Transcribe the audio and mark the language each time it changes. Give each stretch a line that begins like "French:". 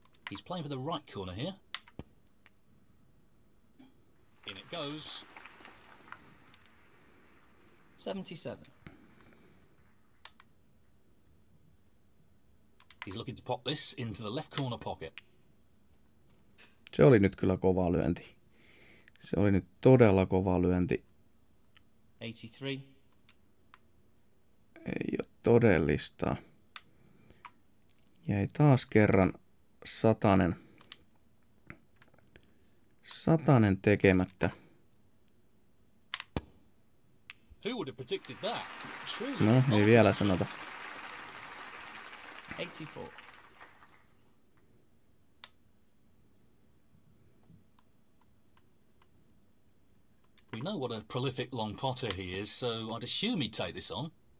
English: He's playing for the right corner here. In it goes. 77. He's looking to pop this into the left corner pocket.
Finnish: Se oli nyt kyllä kova lyönti. Se oli nyt todella kova lyönti. 83. Ei ole todellista. Jäi taas kerran satanen tekemättä.
English: Who would have predicted that?
Finnish: No, ei vielä sanota. 84.
English: We know what a prolific long potter he is, so I'd assume he'd take this on.